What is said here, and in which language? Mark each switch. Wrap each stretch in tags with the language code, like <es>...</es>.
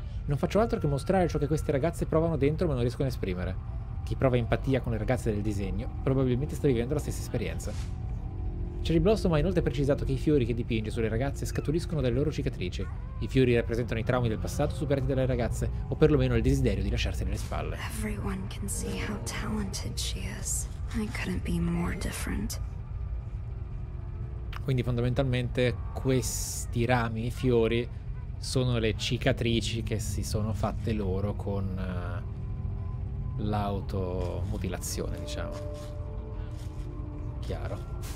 <it>Non faccio altro che mostrare ciò che queste ragazze provano dentro ma non riescono a esprimere. Chi prova empatia con le ragazze del disegno probabilmente sta vivendo la stessa esperienza. Cherry Blossom ha inoltre precisato che i fiori che dipinge sulle ragazze scaturiscono dalle loro cicatrici. I fiori rappresentano i traumi del passato superati dalle ragazze, o perlomeno il desiderio di lasciarsene le spalle.</it> <en>Everyone can see how talented she is. I couldn't be more different.</en> <it>Quindi fondamentalmente questi rami e fiori sono le cicatrici che si sono fatte loro con l'automutilazione, diciamo. Chiaro.</it>